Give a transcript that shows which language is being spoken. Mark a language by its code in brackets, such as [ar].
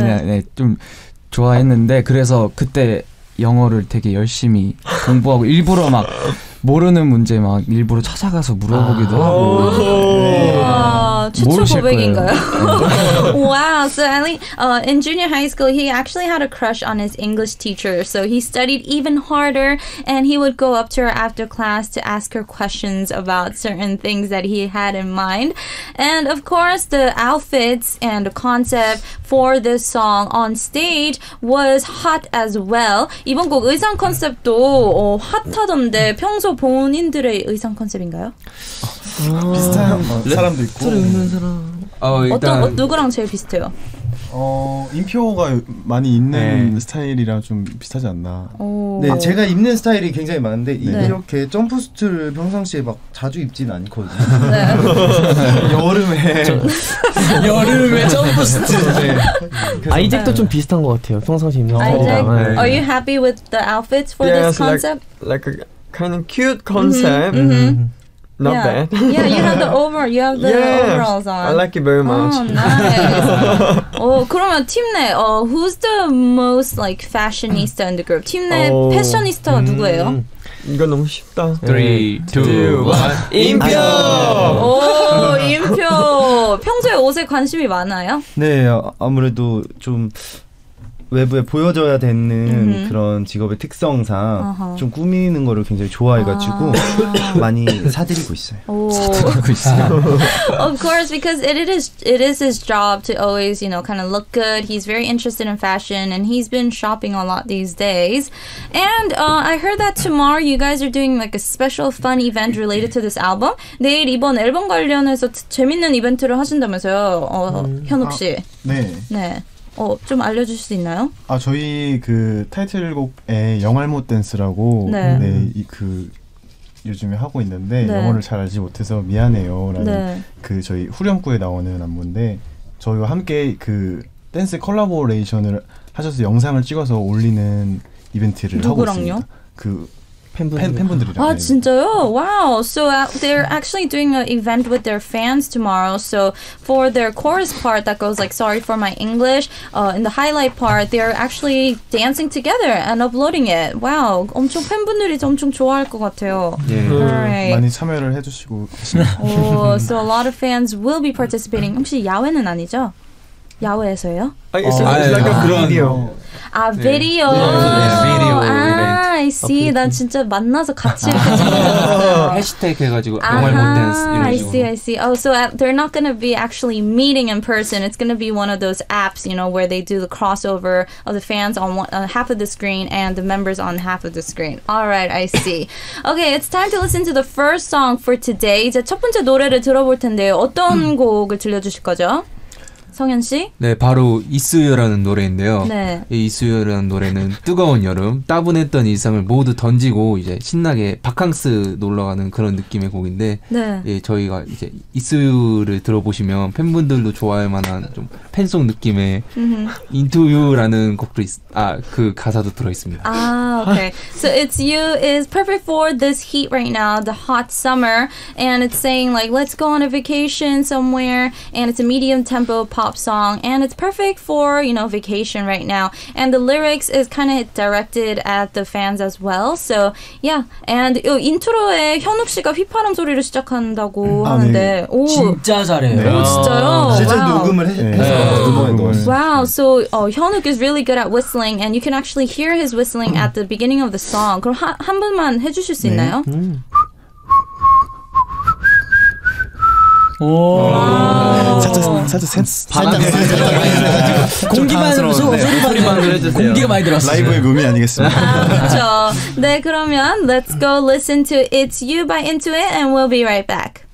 [ko] 그냥 네, 좀 좋아했는데 그래서 그때 영어를 되게 열심히 공부하고 일부러 막 모르는 문제 막 일부러 찾아가서 물어보기도 하고 와 최초 고백인가요? Wow, so at least in junior high school he actually had a crush on his English teacher so he studied even harder and he would go up to her after class to ask her questions about certain things that he had in mind and of course the outfits and the concept for this song on stage was hot as well 이번 곡 의상 컨셉도 핫하던데 평소 본인들의 의상 컨셉인가요? 비슷한 사람도 있고 랩터를 입는 사람 일단 누구랑 제일 비슷해요? 인표가 많이 있는 네. 스타일이라 좀 비슷하지 않나 네 제가 입는 스타일이 굉장히 많은데 네. 이렇게 점프수트를 평상시에 막 자주 입진 않거든요 네. 여름에 여름에 점프수트 네. 아이잭도 네. 좀 비슷한 것 같아요 평상시 입는 스타일이랑 아이잭, 네. [en] Are you happy with the outfits for yes, this concept? Like a kind of cute concept. Mm-hmm. Mm-hmm. Not yeah. bad. Yeah, you have the overall. You have the yeah, overalls on. I like it very much. Oh, nice. [ko] 그러면 팀 내 [en] who's the most like fashionista in the group? [ko] 팀내 패셔니스타가 누구예요? 이건 너무 쉽다. 3, 2, 1 임표. 오, 임표. 평소에 옷에 관심이 많아요? 네, 아무래도 좀 외부에 보여져야 되는 그런 직업의 특성상 좀 꾸미는 거를 굉장히 좋아해가지고 많이 사드리고 있어요. 사드리고 있어요. [en] Of course, because it is his job to always, you know, kind of look good. He's very interested in fashion, and he's been shopping a lot these days. And I heard that tomorrow you guys are doing like a special fun event related to this album. [ko] 내일 이번 앨범 관련해서 재밌는 이벤트를 하신다면서요, 현욱 씨. 네. 좀 알려주실 수 있나요? 아, 저희 그 타이틀곡에 영알못 댄스라고 그 요즘에 하고 있는데 영어를 잘 알지 못해서 미안해요라는 그 저희 후렴구에 나오는 안무인데 저희와 함께 그 댄스 콜라보레이션을 하셔서 영상을 찍어서 올리는 이벤트를 누구랑요? 하고 있습니다. 그 팬분들이랑. 아, 네. 진짜요? [en] Wow. So they're actually doing an event with their fans tomorrow. So for their chorus part that goes like, sorry for my English, in the highlight part, they're actually dancing together and uploading it. Wow. [ko] 엄청 팬분들이 엄청 좋아할 것 같아요. 네. [en] All right. [ko] 많이 참여를 해주시고. [en] Oh, so a lot of fans will be participating. [ko] 혹시 야외는 아니죠? 야외에서요? 아, 비디오. 비디오. 아, [en] I see. [ko] 난 진짜 만나서 같이 해시태그 해가지고 영화를 못 댄스 이런 식으로. [en] I see. Oh, so they're not gonna be actually meeting in person. It's gonna be one of those apps, you know, where they do the crossover of the fans on half of the screen and the members on half of the screen. All right, I see. Okay, it's time to listen to the first song for today. [ko] 이제 첫 번째 노래를 들어볼 텐데요. 어떤 곡을 들려주실 거죠? 성현 씨? 네, 바로 이수여라는 노래인데요. 네. 이 이수여라는 노래는 뜨거운 여름, 따분했던 일상을 모두 던지고 이제 신나게 바캉스 놀러 가는 그런 느낌의 곡인데 네. 예, 저희가 이제 이수여를 들어보시면 팬분들도 좋아할 만한 좀 팬송 느낌의 인투유라는 곡도 그 가사도 들어 있습니다. 아, 오케이. [en] So it's you is perfect for this heat right now, the hot summer, and it's saying like let's go on a vacation somewhere and it's a medium tempo pop song, and it's perfect for, you know, vacation right now. And the lyrics is kind of directed at the fans as well. So, yeah. And [ko] 요 인트로에 현욱 씨가 휘파람 소리를 시작한다고 하는데 네. 오. 진짜 잘해요. 네. 오, 진짜요? 진짜 [en] wow. [ko] 녹음을 해서 [en] wow. So, 현욱 is really good at whistling, and you can actually hear his whistling at the beginning of the song. [ko] 그럼 한 번만 해 주실 수 있나요? 네. 오. 살짝 센스. 바람이 살짝 공기만 공기가 많이 들었어. 라이브의 묘미 아니겠습니까? 네, 그러면 [en] let's go listen to It's You by Intuit and we'll be right back.